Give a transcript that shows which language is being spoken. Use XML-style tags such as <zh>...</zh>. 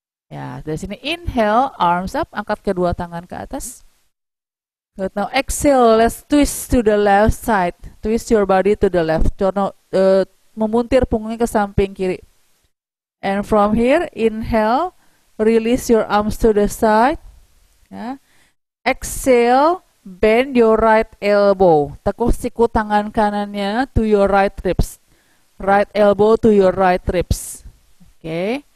<id>Ya, dari sini</id> <en>inhale, arms up,</en> <id>angkat kedua tangan ke atas.</id> <en>Good, now exhale, let's twist to the left side. Twist your body to the left.</en> <id>Memuntir punggungnya ke samping kiri.</id> <en>And from here, inhale, release your arms to the side. Ya. Exhale, bend your right elbow.</en> <id>Tekuk siku tangan kanannya</id> <en>to your right ribs. Right elbow to your right ribs. Oke. Okay.</en>